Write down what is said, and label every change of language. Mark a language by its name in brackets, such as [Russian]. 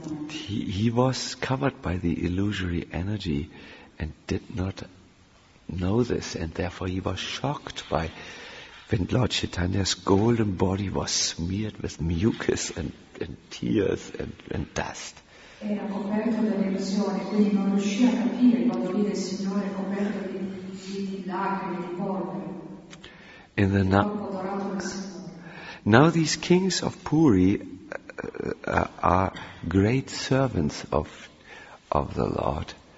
[English] He was covered by the illusory energy and did not know this, and therefore he was shocked by when Lord Chaitanya's golden body was smeared with mucus and tears and dust. [Italian] Era coperto dall'illusione, quindi non riuscì a capire quando vide il Signore coperto di lacrime, di polvere. [English] in the now these kings of Puri are great servants of the Lord.